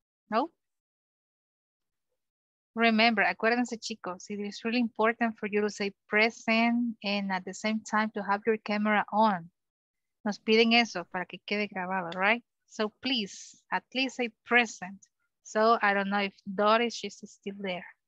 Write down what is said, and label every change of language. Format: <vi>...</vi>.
<en>No? Remember,</en> <es>acuérdense, chicos,</es> <en>it is really important for you to say present and at the same time to have your camera on.</en> <es>Nos piden eso para que quede grabado,</es> <en>right? So please, at least say present. So I don't know if Doris is still there.</en>